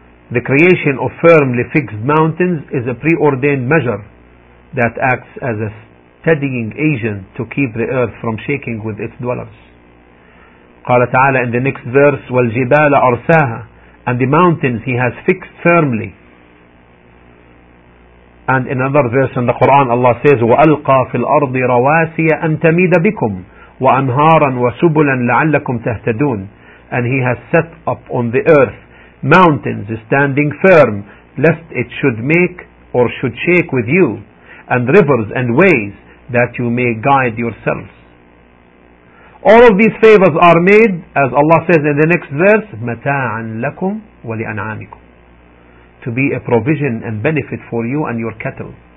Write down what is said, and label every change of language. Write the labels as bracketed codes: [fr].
[en] The creation of firmly fixed mountains is a preordained measure that acts as a steadying agent to keep the earth from shaking with its dwellers. [ar] قال تعالى [en] in the next verse, [ar] والجبال أرساها, [en] and the mountains He has fixed firmly. And in another verse in the Quran, Allah says, [ar] وألقى في الأرض رواسي أن تميد بكم وأنهارا وسبلا لعلكم تهتدون. [en] And He has set up on the earth mountains standing firm, lest it should make or should shake with you, and rivers and ways that you may guide yourselves. All of these favors are made, as Allah says in the next verse, [ar] مَتَاعًا لَكُمْ وَلِأَنْعَامِكُمْ, [en] to be a provision and benefit for you and your cattle.